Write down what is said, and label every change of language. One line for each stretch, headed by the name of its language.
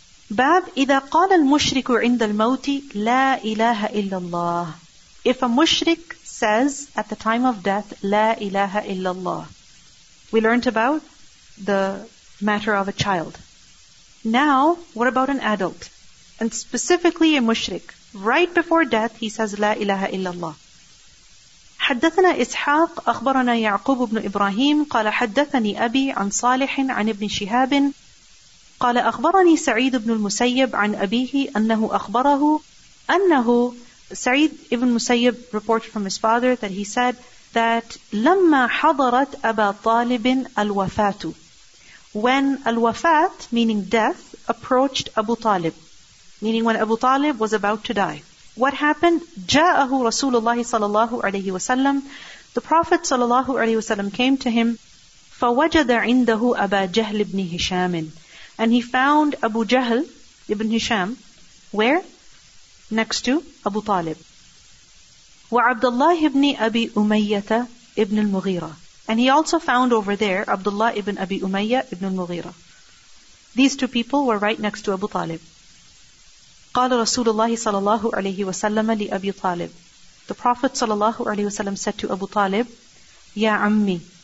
English: Bab,
Arabic: إِذَا قَالَ الْمُشْرِكُ عِنْدَ الْمَوْتِ لَا إِلَهَ إِلَّا اللَّهِ
English: If a mushrik says at the time of death,
Arabic: لَا إِلَهَ إِلَّا اللَّهِ
English: We learned about the matter of a child. Now, what about an adult? And specifically a mushrik. Right before death, he says,
Arabic: لَا إِلَهَ إِلَّا اللَّهِ حدثنا إسحاق أخبرنا يعقوب بن إبراهيم قال حدثني أبي عن صالح عن ابن شهاب قال أخبرني سعيد بن المسيب
English: عن أبيه أنه أخبره أنه سعيد بن المسيب reported from his father that he said that
Arabic: لما حضرت أبا طالب الوفاة
English: when الوفاة meaning death approached أبو طالب meaning when أبو طالب was about to die What happened?
Arabic: جاءه رسول الله صلى الله عليه وسلم.
English: The Prophet صلى الله عليه وسلم came to him.
Arabic: فوجد عنده أبا جهل بن هشام.
English: And he found Abu Jahl ibn Hisham. Where? Next to Abu Talib.
Arabic: وعبد الله بن أبي أمية ابن المغيرة.
English: And he also found over there Abdullah ibn Abi Umayyah ibn al-Mughira. These two people were right next to Abu Talib.
Arabic: قال رسول الله صلى الله عليه وسلم لأبي طالب
English: The Prophet صلى الله عليه وسلم said to Abu Talib
Arabic: يا عمي